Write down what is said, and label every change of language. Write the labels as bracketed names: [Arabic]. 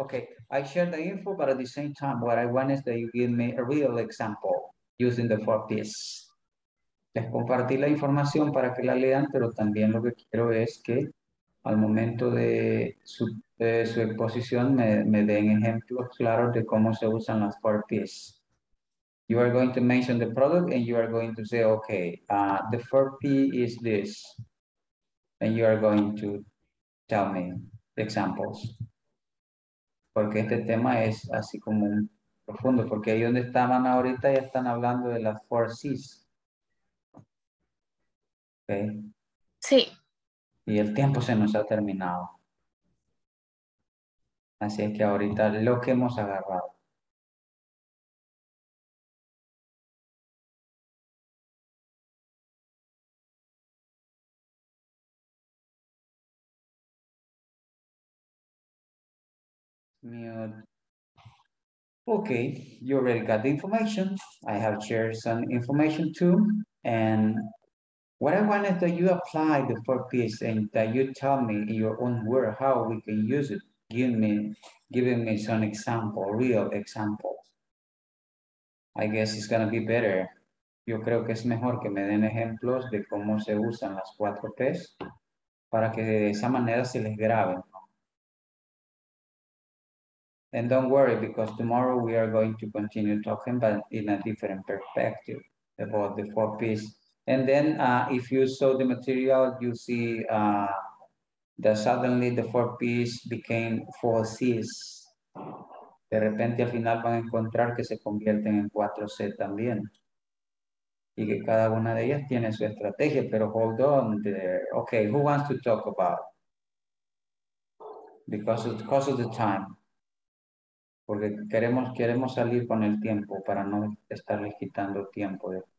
[English] Okay, I shared the info, but at the same time, what I want is that you give me a real example using the four P's. [Spanish] Les compartí la información para que la lean, pero también lo que quiero es que al momento de su exposición me den ejemplos claros de cómo se usan las four P's. [English] You are going to mention the product and you are going to say, okay, the 4P is this. And you are going to tell me the examples. [Spanish] Porque este tema es así como un profundo, porque ahí donde estaban ahorita ya están hablando de las 4Cs. [English] Okay. [Spanish] Sí. Y el tiempo se nos ha terminado. Así es que ahorita lo que hemos agarrado. [English] Okay, you already got the information. I have shared some information too. And what I want is that you apply the 4Ps and that you tell me in your own word how we can use it. Giving me some example, real examples. I guess it's gonna be better. [Spanish] Yo creo que es mejor que me den ejemplos de cómo se usan las 4Ps para que de esa manera se les graben. [English] And don't worry, because tomorrow we are going to continue talking, but in a different perspective about the 4Ps. And then if you saw the material, you see that suddenly the 4Ps became 4Cs. [Spanish] De repente al final van a encontrar que se convierten en 4C también. Y que cada una de ellas tiene su estrategia, pero [English] hold on there. Okay, who wants to talk about? Because of the time. [Spanish] Porque queremos salir con el tiempo para no estarles quitando tiempo.